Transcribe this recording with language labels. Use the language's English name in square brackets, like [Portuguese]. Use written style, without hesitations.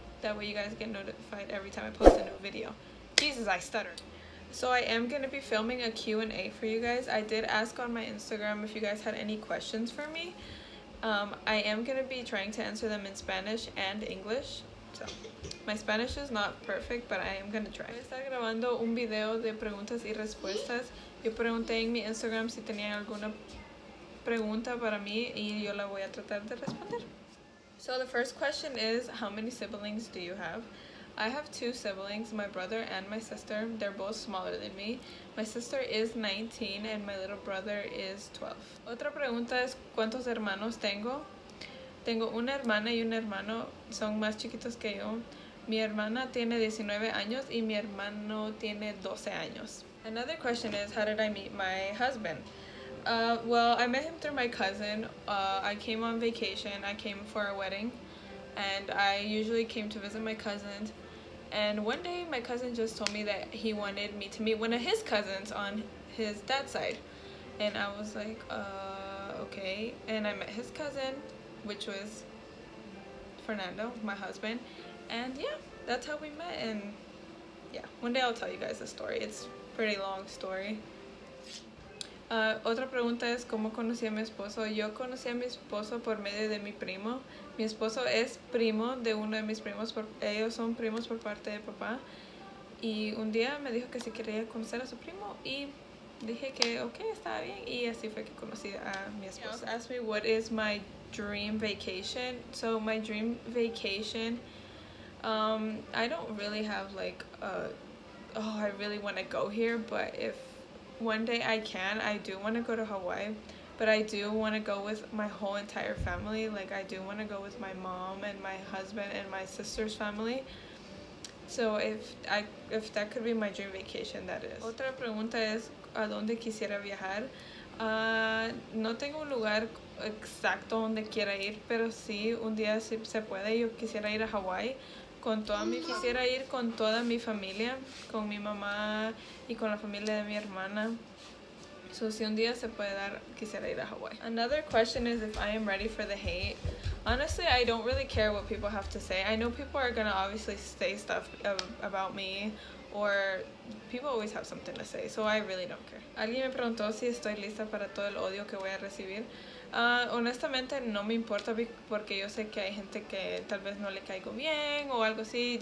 [English] That way you guys get notified every time I post a new video. Jesus, I stuttered. So I am going to be filming a Q&A for you guys. I did ask on my Instagram if you guys had any questions for me. I am going to be trying to answer them in Spanish and English. So my Spanish is not perfect, but I am going to try. [Spanish] Voy a estar grabando un video de preguntas y respuestas. Yo pregunté en mi Instagram si tenían alguna pregunta para mí y yo la voy a tratar de responder. [English] So the first question is, how many siblings do you have? I have 2 siblings, my brother and my sister. They're both smaller than me. My sister is 19 and my little brother is 12. [Spanish] Otra pregunta es, ¿cuántos hermanos tengo? Tengo una hermana y un hermano, son más chiquitos que yo. Mi hermana tiene 19 años y mi hermano tiene 12 años. [English] Another question is, how did I meet my husband? Well, I met him through my cousin. I came on vacation. I came for a wedding. And I usually came to visit my cousins. And one day, my cousin just told me that he wanted me to meet one of his cousins on his dad's side. And I was like, okay. And I met his cousin, which was Fernando, my husband. And yeah, that's how we met. And yeah, one day I'll tell you guys the story. It's pretty long story. [Spanish] Otra pregunta es, ¿cómo conocí a mi esposo? Yo conocí a mi esposo por medio de mi primo. Mi esposo es primo de uno de mis primos. Ellos son primos por parte de papá. Y un día me dijo que si quería conocer a su primo. Y dije que, okay, estaba bien. Y así fue que conocí a mi esposo. [English] Ask me, what is my dream vacation? So, my dream vacation, I don't really have like a, oh, I really want to go here, but if one day I can, I do want to go to Hawaii, but I do want to go with my whole entire family. Like, I do want to go with my mom and my husband and my sister's family. So if that could be my dream vacation, that is. [Spanish] Otra pregunta es, ¿a dónde quisiera viajar? No tengo un lugar exacto donde quiera ir, pero sí, un día si se puede, yo quisiera ir a Hawaii. Quisiera ir con toda mi familia, con mi mamá y con la familia de mi hermana. So, si un día se puede dar, quisiera ir a Hawaii. [English] Another question is if I am ready for the hate. Honestly, I don't really care what people have to say. I know people are going to obviously say stuff about me, or people always have something to say, so I really don't care. [Spanish] Alguien me preguntó si estoy lista para todo el odio que voy a recibir. Honestamente, no me importa porque yo sé que hay gente que tal vez no le caigo bien o algo así.